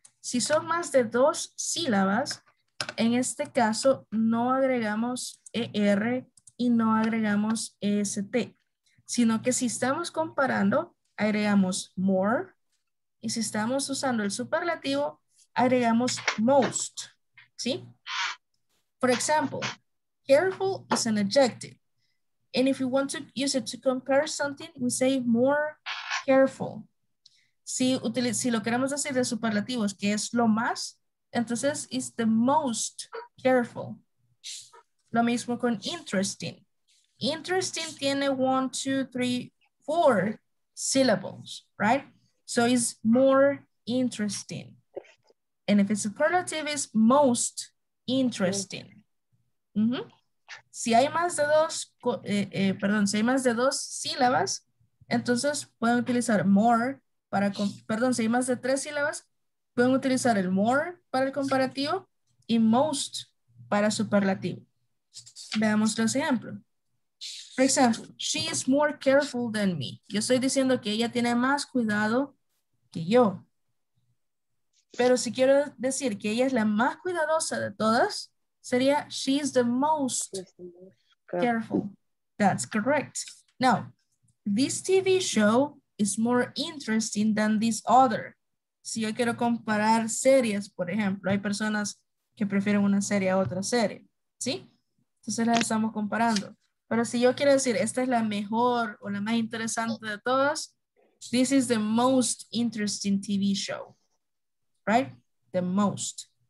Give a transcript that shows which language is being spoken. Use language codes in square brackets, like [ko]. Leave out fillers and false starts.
[es] Si son más de dos sílabas, en este caso no agregamos ER y no agregamos EST, sino que si estamos comparando, agregamos more. Y si estamos usando el superlativo, agregamos most, ¿sí? [en] For example, careful is an adjective. And if you want to use it to compare something, we say more careful. [es] Si lo queremos decir de superlativos, que es lo más, entonces [en] is the most careful. [es] Lo mismo con interesting. Interesting tiene 1, 2, 3, 4 [en] syllables, right? So it's more interesting. And if it's superlative, it's most interesting. Mm-hmm. [es] Si hay más de dos, si hay más de dos sílabas, entonces pueden utilizar more para, si hay más de tres sílabas, pueden utilizar el more para el comparativo y most para superlativo. Veamos los ejemplos. [en] For example, she is more careful than me. [es] Yo estoy diciendo que ella tiene más cuidado que yo. Pero si quiero decir que ella es la más cuidadosa de todas, sería [en] she's the most careful. That's correct. Now, this TV show is more interesting than this other. [es] Si yo quiero comparar series, por ejemplo, hay personas que prefieren una serie a otra serie, ¿sí? Entonces las estamos comparando. Pero si yo quiero decir esta es la mejor o la más interesante de todas, [en] this is the most interesting TV show, right? The most.